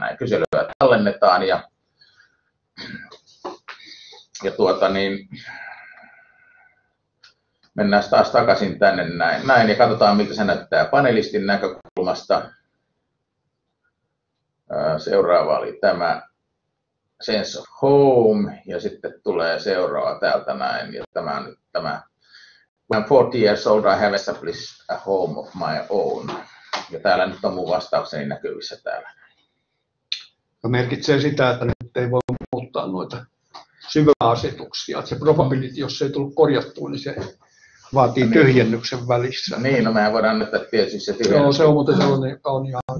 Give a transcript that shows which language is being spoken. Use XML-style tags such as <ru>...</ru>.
<fi>Näin kyselyä tallennetaan ja mennään taas takaisin tänne näin ja katsotaan, miltä se näyttää panelistin näkökulmasta. Seuraava oli tämä.</fi> <en>Sense of home,</en> <fi>ja sitten tulee seuraava täältä näin, ja tämä on nyt tämä.</fi> <en>When 40 years old, I have established a home of my own.</en> <fi>Ja täällä nyt on mun vastaukseni näkyvissä täällä. Ja merkitsee sitä, että nyt ei voi muuttaa noita syväasetuksia. Se probability, jos se ei tullut korjattua, niin se vaatii tyhjennyksen välissä. Niin, no mehän voidaan nyt tietysti se tyhjennys. Joo, se on muuten sellainen, joka on ihan</fi>